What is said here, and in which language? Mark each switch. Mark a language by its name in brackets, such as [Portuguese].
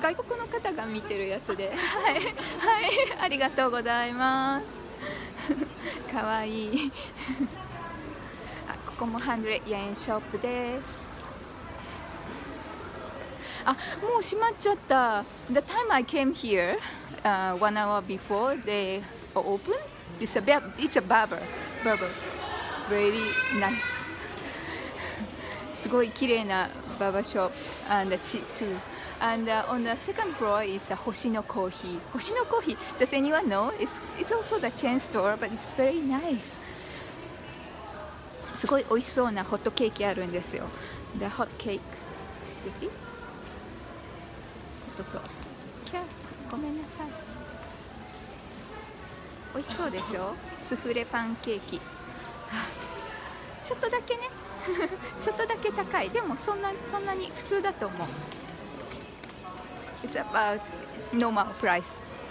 [Japanese] 外国の方が見てるやつで。はい。はい。ありがとうございます。かわいい。あ、ここも100 yen ショップです。あ、もう閉まっちゃった。 [English] The time I came here,one hour before they open, it's a, it's a barber. Barber. Really nice. [Japanese] すごい綺麗なバーバーショップ。 [English] And cheap too. And on the second floor is a 星のコーヒー。星のコーヒー。Does anyone know? It's also the chain store, but it's very nice. [Japanese] すごい美味しそうなホットケーキあるんですよ。 [English] The hot cake. Like this? [Japanese] ととキャーごめんなさい美味しそうでしょスフレパンケーキちょっとだけねちょっとだけ高いでもそんなに普通だと思う [English] It's about normal price